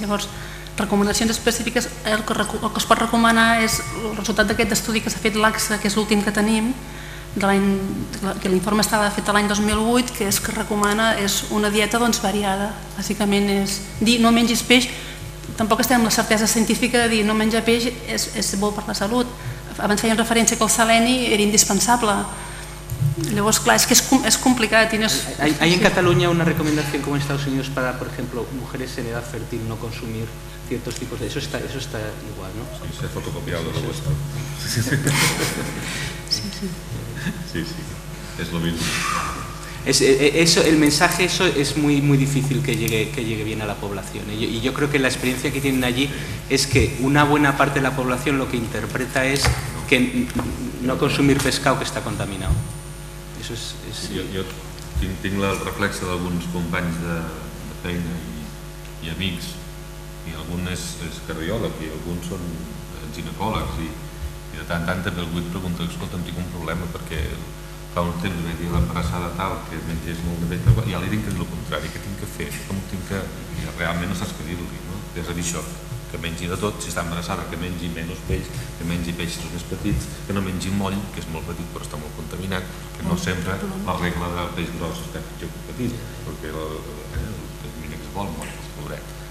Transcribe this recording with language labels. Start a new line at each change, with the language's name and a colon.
Catalan: Llavors, recomanacions específiques, el que es pot recomanar és el resultat d'aquest estudi que s'ha fet l'AXA, que és l'últim que tenim, que l'informe estava fet l'any 2008, que és que recomana és una dieta doncs, variada. Bàsicament és dir no mengis peix. Tampoc estem amb la certesa científica de dir no menjar peix és bo per la salut. Abans feien referència que el seleni era indispensable. Llavors, clar, és que és complicat. No és...
Spanish: ¿Hay en Cataluña una recomendación como en Estados Unidos para, por ejemplo, mujeres en edad fértil no consumir ciertos tipos de... eso está igual, ¿no? Sí, se ha fotocopiado lo vuestro. Sí. Es lo mismo. El mensaje, eso es muy, muy difícil que llegue bien a la población. Y yo creo que la experiencia que tienen allí es que una buena parte de la población lo que interpreta es que no consumir pescado que está contaminado. Eso es... Yo tengo el reflexo de algunos compañeros
Catalan: de feina
Spanish: y amigos, y algunos es cardiólogo y algunos son ginecólogos, y
Catalan: de tant en tant
Spanish: también
Catalan: vull preguntar, escolta'm, tinc un problema perquè... Fa un temps vaig dir l'embarassada tal, que mengés molt de bé, i ja li dic que és el contrari, que tinc que fer, com tinc que... I realment no saps què dir-li, no? És a dir, això, que mengi de tot, si està embarassada, que mengi menys peix, que mengi peixos més petits, que no mengi moll, que és molt petit però està molt contaminat, que no sempre la regla de peix gros està pitjor que petit, perquè el mínim que es vol, moll, és pobret.